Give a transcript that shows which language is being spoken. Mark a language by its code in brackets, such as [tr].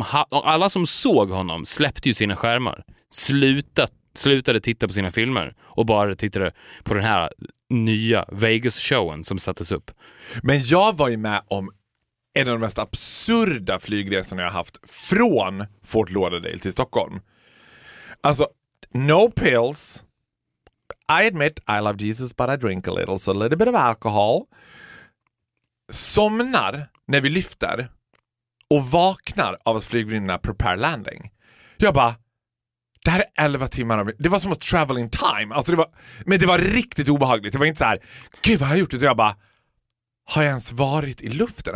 [sv] Alla som såg honom släppte ju sina skärmar. Slutade titta på sina filmer. Och bara tittade på den här nya Vegas-showen som sattes upp. Men jag var ju med om en av de mest absurda flygresorna jag haft. Från Fort Lauderdale till Stockholm. Alltså, [en] no pills. I admit I love Jesus but I drink a little. So a little bit of alcohol. [sv] Somnar när vi lyfter och vaknar av att flygvärdinnorna [en] prepare landing. [sv] Jag bara, Det här är 11 timmar. Det var som att [en] travel in time. [sv] Alltså det var, men det var riktigt obehagligt. Det var inte så här, gud vad har jag gjort? Det jag bara, har jag ens varit i luften?